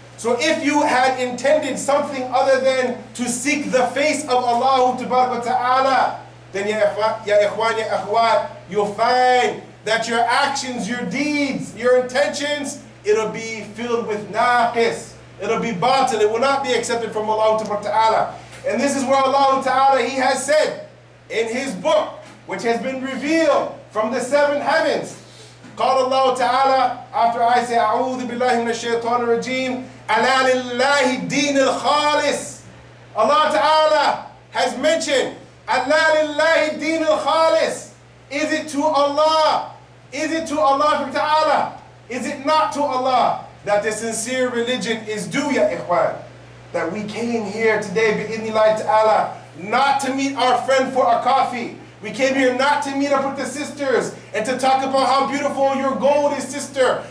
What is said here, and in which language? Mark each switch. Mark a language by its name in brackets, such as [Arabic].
[English] So if you had intended something other than to seek the face of Allah tabaraka wa ta'ala, then ya ikhwan, ya akhwat, you'll find that your actions, your deeds, your intentions, it'll be filled with naqis. It'll be batil. It will not be accepted from Allah tabaraka wa ta'ala. And this is where Allah ta'ala, He has said in His book, which has been revealed from the seven heavens. [Arabic] قَالَ اللَّهُ تَعَالَى [English] After I say, [Arabic] أَعُوذُ بِاللَّهِ مِنَ الشَّيْطَانِ الرَّجِيمِ أَلَا لِلَّهِ الدِّينِ الْخَالِصِ [English] Allah Ta'ala has mentioned, [Arabic] أَلَا لِلَّهِ الدِّينِ الْخَالِصِ [English] Is it to Allah? Is it to Allah Ta'ala? Is it not to Allah that the sincere religion is due, ya ikhwan? That we came here today, [Arabic] بِإِذْنِ اللَّهِ تَعَالَى [English] not to meet our friend for a coffee. We came here not to meet up with the sisters and to talk about how beautiful your gold is, sister.